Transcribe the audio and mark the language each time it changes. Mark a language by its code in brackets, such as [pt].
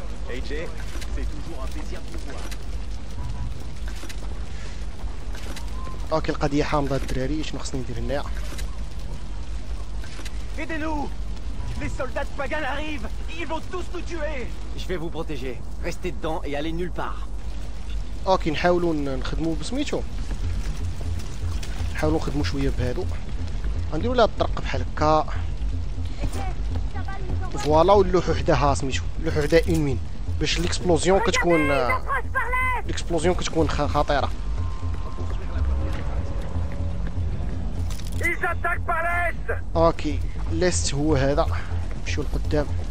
[fr] AJ, c'est toujours un plaisir de vous voir. [ar] Ok, القضية حامضة الدراري, شنو خصني ندير هنايا ? [fr] Aidez-nous ! Les soldats de Pagan arrivent ! Ils vont tous nous tuer ! Je vais vous protéger. Restez dedans et allez nulle part. [ar] اوكي نحاولوا نخدموا بسميتو نحاولوا نخدموا شويه بهادو غنديروا لها الطرق بحال هكا فوالا واللوح وحدها سميتو اللوح وحدها اون مين باش ليكسبلوزيون كتكون ليكسبلوزيون كتكون خطيره اوكي ليست هو هذا نمشيو لقدام